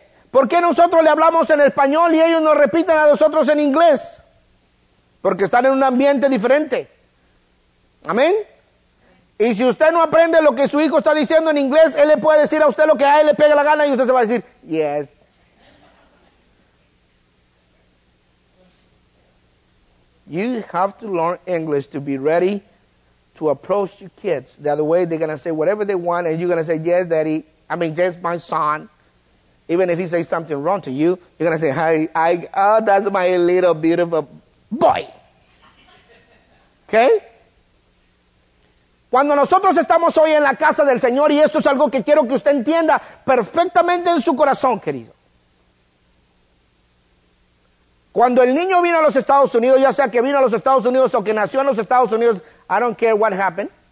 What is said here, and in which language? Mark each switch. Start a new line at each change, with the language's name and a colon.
Spanish: ¿Por qué nosotros le hablamos en español y ellos nos repiten a nosotros en inglés? Porque están en un ambiente diferente. ¿Amén? Y si usted no aprende lo que su hijo está diciendo en inglés, él le puede decir a usted lo que a él le pega la gana y usted se va a decir, yes.
English: You have to learn English to be ready to approach your kids. The other way, they're going to say whatever they want and you're going to say, yes, daddy. I mean, yes, my son. Even if he says something wrong to you, you're going to say, hi, hey, oh, that's my little beautiful boy. Okay?
Spanish: Cuando nosotros estamos hoy en la casa del Señor, y esto es algo que quiero que usted entienda perfectamente en su corazón, querido. Cuando el niño vino a los Estados Unidos, ya sea que vino a los Estados Unidos o que nació en los Estados Unidos,
English: I don't care what happened.